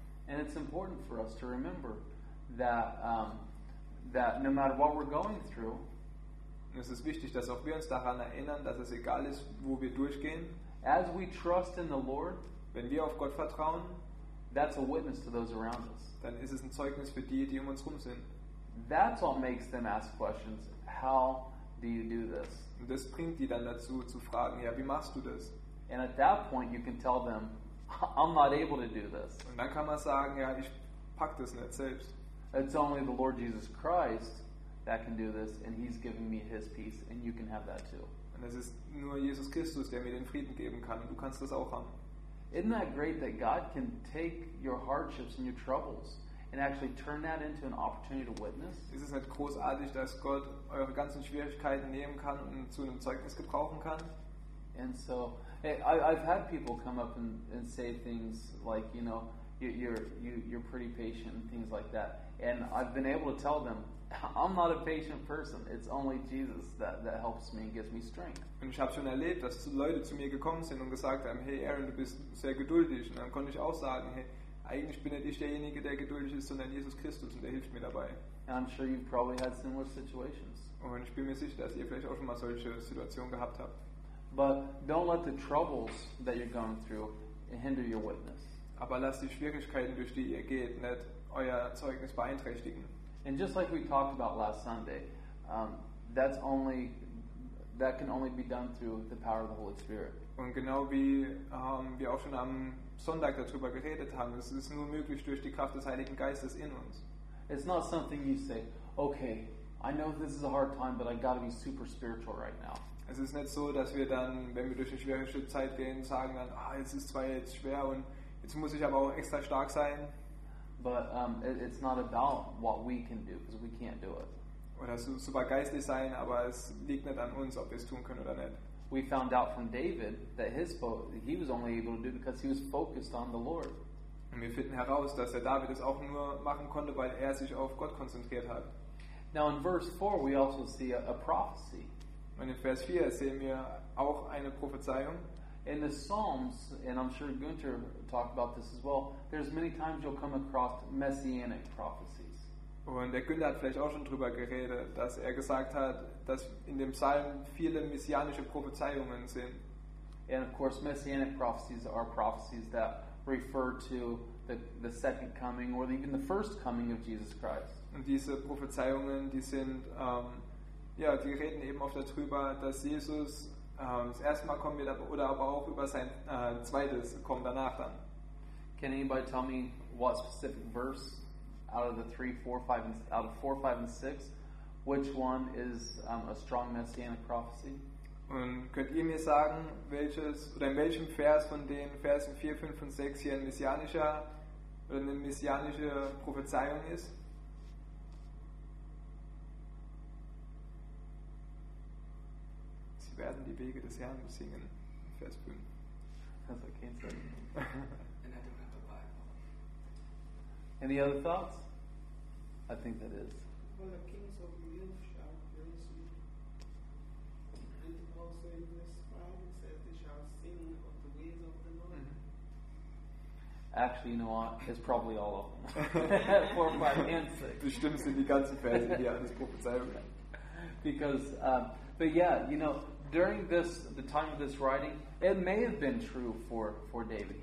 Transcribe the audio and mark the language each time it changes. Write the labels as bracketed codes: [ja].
[en] And it's important for us to remember that that no matter what we're going through, [de] es ist wichtig, dass auch wir uns daran erinnern, dass es egal ist, wo wir durchgehen. [en] As we trust in the Lord, [de] wenn wir auf Gott vertrauen, [en] that's a witness to those around us. [de] Dann ist es ein Zeugnis für die, die um uns rum sind. [en] That's what makes them ask questions. How do you do this? [de] Und das bringt die dann dazu zu fragen, ja, wie machst du das? [en] And at that point you can tell them, I'm not able to do this. [de] Und dann kann man sagen, ja, ich pack das nicht selbst. [en] It's only the Lord Jesus Christ that can do this, and he's giving me his peace, and you can have that too. [de] Und es ist nur Jesus Christus, der mir den Frieden geben kann, und du kannst das auch haben. [en] Isn't that great that God can take your hardships and your troubles and actually turn that into an opportunity to witness? [de] Ist es nicht großartig, dass Gott eure ganzen Schwierigkeiten nehmen kann und zu einem Zeugnis gebrauchen kann? [en] And so, I've had people come up and say things like, you know, you're pretty patient and things like that. And I've been able to tell them, I'm not a patient person. It's only Jesus that helps me and gives me strength. [de] Und ich habe schon erlebt, dass Leute zu mir gekommen sind und gesagt haben, hey Aaron, du bist sehr geduldig. Und dann konnte ich auch sagen, hey, eigentlich bin nicht ich derjenige, der geduldig ist, sondern Jesus Christus, und der hilft mir dabei. [en] And I'm sure you've probably had similar situations. [de] Und ich bin mir sicher, dass ihr vielleicht auch schon mal solche Situationen gehabt habt. [en] But don't let the troubles that you're going through hinder your witness. [de] Aber lass die Schwierigkeiten, durch die ihr geht, nicht euer Zeugnis beeinträchtigen. [en] And just like we talked about last Sunday, that can only be done through the power of the Holy Spirit. [de] Und genau wie wir auch schon am Sonntag darüber geredet haben, es ist nur möglich durch die Kraft des Heiligen Geistes in uns. [en] It's not something you say, okay, I know this is a hard time, but I got to be super spiritual right now. [de] Es ist nicht so, dass wir dann, wenn wir durch eine schwierige Zeit gehen, sagen dann, ah, es ist zwar jetzt schwer und jetzt muss ich aber auch extra stark sein. [en] But it's not about what we can do, because we can't do it. [de] Oder so, super geistlich sein, aber es liegt nicht an uns, ob wir es tun können oder nicht. [en] We found out from David that he was only able to do because he was focused on the Lord. [de] Und wir finden heraus, dass der David es auch nur machen konnte, weil er sich auf Gott konzentriert hat. [en] Now in verse 4 we also see a prophecy. [de] Und in Vers 4 sehen wir auch eine Prophezeiung. [en] In the Psalms, and I'm sure Gunther talked about this as well, there's many times you'll come across messianic prophecies. [de] Und der Günther hat vielleicht auch schon drüber geredet, dass er gesagt hat, dass in dem Psalm viele messianische Prophezeiungen sind. [en] And of course messianic prophecies are prophecies that refer to the second coming or even the first coming of Jesus Christ. [de] Und diese Prophezeiungen, die sind, die reden eben oft darüber, dass Jesus das erste Mal kommen wird, oder aber auch über sein zweites Kommen danach dann. [en] Can anybody tell me what specific verse out of the 4, 5, and 6, which one is a strong messianic prophecy? [de] Und könnt ihr mir sagen, welches oder in welchem Vers von den Versen 4, 5 und 6 hier ein messianischer oder eine messianische Prophezeiung ist? Sie werden die Wege des Herrn besingen. Vers 5. [en] That's what Cain said. And I don't have the Bible. Any other thoughts? I think that is. Well, the kings of the youth shall praise you. And also in verse 5 it says they shall sing of the ways of the Lord. Actually, you know what? It's probably all of them. 4, 5, and 6. [de] Bestimmt sind die ganzen Verse, die alles prophezeiung. [en] Because, but yeah, you know, during the time of this writing, it may have been true for David.